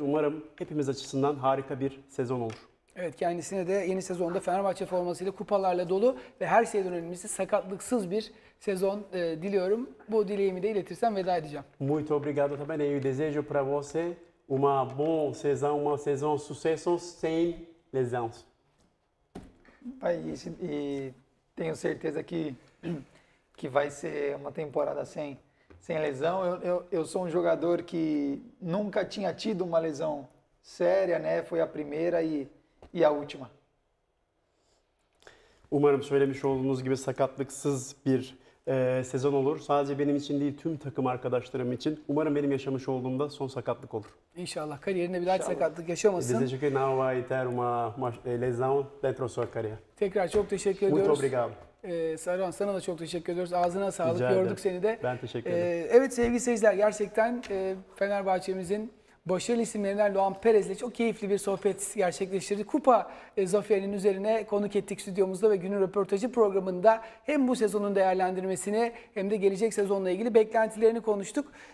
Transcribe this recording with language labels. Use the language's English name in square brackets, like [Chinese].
[Turkish] Umarım hepimiz açısından harika bir sezon olur. Evet, kendisine de yeni sezonda Fenerbahçe formasıyla kupalarla dolu ve her şeyden önemlisi sakatlıksız bir sezon diliyorum. Bu dileğimi de iletirsem veda edeceğim. [Portuguese] Muito obrigado também. Eu desejo para você uma boa sezão, uma sezão sucesso sem lesões. Pai, e tenho certeza que vai ser uma temporada sem lesão. Eu sou um jogador que nunca tinha tido uma lesão séria, né? Foi a primeira e a última. [Turkish] Umarım söylemiş olduğunuz gibi sakatlıksız bir sezon olur. Sadece benim için değil, tüm takım arkadaşlarım için. Umarım benim yaşamış olduğumda son sakatlık olur. İnşallah. Kariyerinde bir daha sakatlık yaşamasın. [Portuguese] Desejo que não vai ter uma lesão dentro da sua carreira. [Turkish] Tekrar çok teşekkür ediyoruz. [Portuguese] Muito obrigado. [Turkish] Sarıhan, sana da çok teşekkür ediyoruz. Ağzına sağlık. Rica gördük ederim. Seni de. Ben teşekkür ederim. Evet sevgili seyirciler, gerçekten Fenerbahçe'mizin başarılı isimlerinden Luan Perez'le çok keyifli bir sohbet gerçekleştirdik. Kupa zaferinin üzerine konuk ettik stüdyomuzda ve günün röportajı programında hem bu sezonun değerlendirmesini hem de gelecek sezonla ilgili beklentilerini konuştuk.